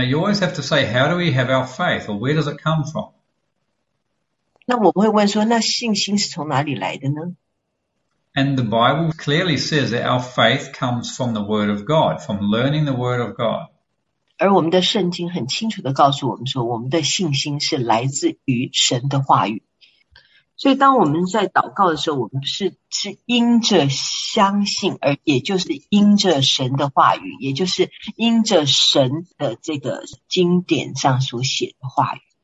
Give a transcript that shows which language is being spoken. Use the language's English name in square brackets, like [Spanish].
[English] You know, you always have to say, how do we have our faith, or where does it come from? [Chinese] 那我们会问说，那信心是从哪里来的呢？ [English] And the Bible clearly says that our faith comes from the Word of God, from learning the Word of God. [Chinese] 而我们的圣经很清楚地告诉我们说，我们的信心是来自于神的话语。所以当我们在祷告的时候，我们是因着相信，而也就是因着神的话语，也就是因着神的这个经典上所写的话语。